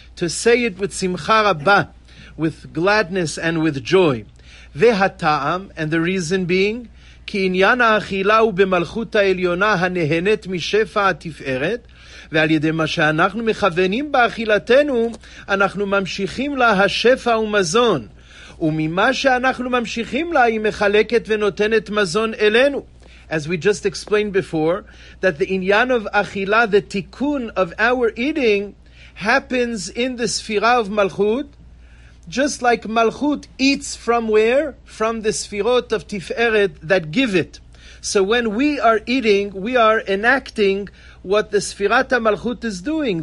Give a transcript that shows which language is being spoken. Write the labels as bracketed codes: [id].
[en] To say it with Simcha Rabba, with gladness and with joy. [he] Ve'hata'am, [en] and the reason being, [he] Ki inyan ha'achila hu b'malchut ha'elyona ha'nehenet mi'shefa ha'tif'eret, ועל ידי מה שאנחנו מכוונים באכילתנו, אנחנו ממשיכים לה השפע ומזון. וממה שאנחנו ממשיכים לה, היא מחלקת ונותנת מזון אלינו. [en] As we just explained before, that the inyan of achila, the tikkun of our eating, happens in the sphira of malchut, just like malchut eats from where? From the sphirot of tiferet that give it. So when we are eating, we are enacting what the Sfirat HaMalchut is doing.